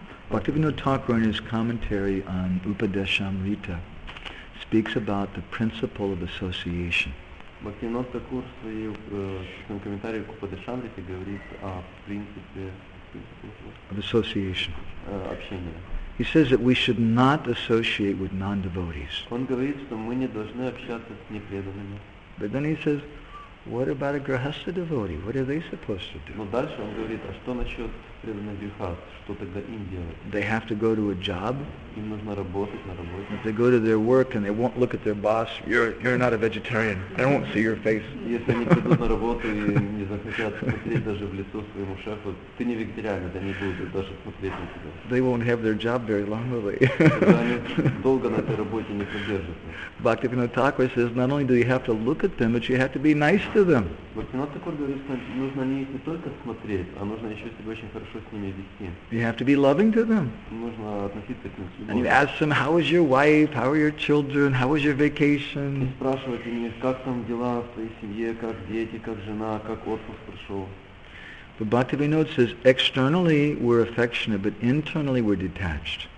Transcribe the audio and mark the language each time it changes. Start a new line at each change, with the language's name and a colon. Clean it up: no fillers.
English: Bhaktivinoda Thakur in his commentary on Upadeshamrita speaks about the principle of association.
Russian: Bhaktivinoda Thakur в своем комментарии к Упадешамрите говорит о принципе
English: of association.
Russian: Общения.
English: He says that we should not associate with non-devotees.
Russian: Он говорит, что мы не должны общаться с непреданными.
English: But then he says, what about a grihastha devotee? What are they supposed to do?
Russian: Но дальше он говорит, а что насчет преданных грихаст? Что тогда им делать?
English: They have to go to a job.
Russian: Им нужно работать на работе.
English: If they go to their work and they won't look at their boss, you're not a vegetarian. They won't see your face.
Russian: Если они придут на работу и не захотят смотреть даже в лицо своему шефу, ты не вегетарианец, они будут даже смотреть на тебя.
English: They won't have their job very long, will they?
Russian: Они долго на этой работе не продержатся.
English: Bhaktivinoda Thakur says, not only do you have to look at them, but you have to be nice to them.
Russian: Bhaktivinoda Thakur говорит, что нужно не только смотреть, а нужно еще себя очень хорошо с ними вести.
English: You have to be loving to them.
Russian: Нужно относиться к ним.
English: And you ask them, how was your wife? How are your children? How was your vacation?
Russian: И спрашивать у них, как там дела в твоей семье, как дети, как жена, как отпуск прошел.
English: But Bhaktivinoda says, externally we're affectionate, but internally we're detached.